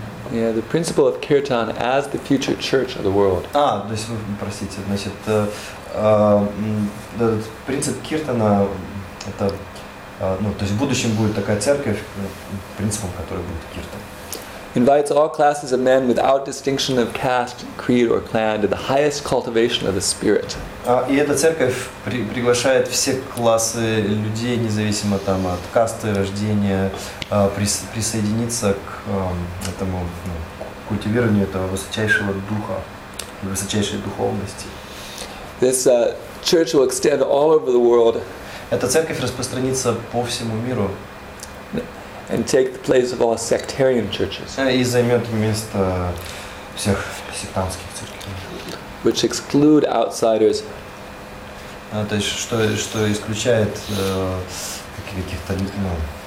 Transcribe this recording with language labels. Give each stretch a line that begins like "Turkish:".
English: Yeah, the principle of kirtan as the future church of the world.
Russian: То есть, простите, значит, принцип киртана – это, ну, то есть в будущем будет такая церковь, принципом которой будет киртан.
English: Invites all classes of men without distinction of caste, creed, or clan to the highest cultivation of the spirit.
Russian: И эта церковь приглашает все классы людей, независимо там от касты, рождения, присоединиться к этому культивированию этого высочайшего духа, высочайшей духовности.
English: This church will extend all over the world.
Russian: Эта церковь распространится по всему миру.
English: And take the place of all sectarian churches.
Russian: И займет место всех сектантских церквей.
English: Which exclude outsiders.
Russian: То есть что исключает каких-то